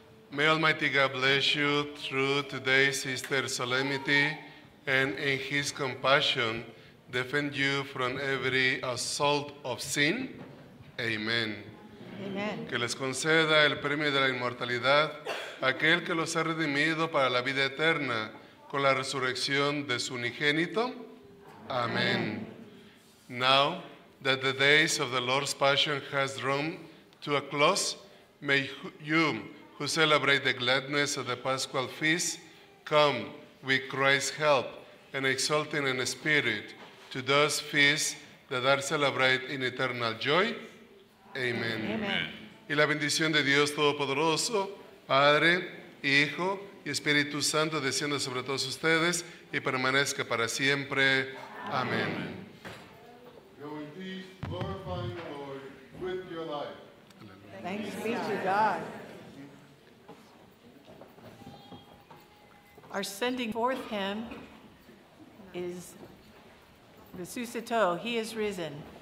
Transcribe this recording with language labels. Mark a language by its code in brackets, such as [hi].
[en] May Almighty God bless you through today's Easter solemnity, and in His compassion defend you from every assault of sin. Amen. Amen. [es] Que les conceda el premio de la inmortalidad aquel que los ha redimido para la vida eterna con la resurrección de su unigénito. [en] Amen. Now that the days of the Lord's Passion has drawn to a close, may you who celebrate the gladness of the Paschal Feast come with Christ's help and exulting in spirit to those feasts that are celebrated in eternal joy. Amen. Amen. [es] Y la bendición de Dios Todopoderoso, Padre, Hijo y Espíritu Santo descienda sobre todos ustedes y permanezca para siempre. Amén. Amén. [en] Go in peace, glorifying the Lord with your life. Thanks be to God. Our sending forth hymn is Resuscitó, He is Risen.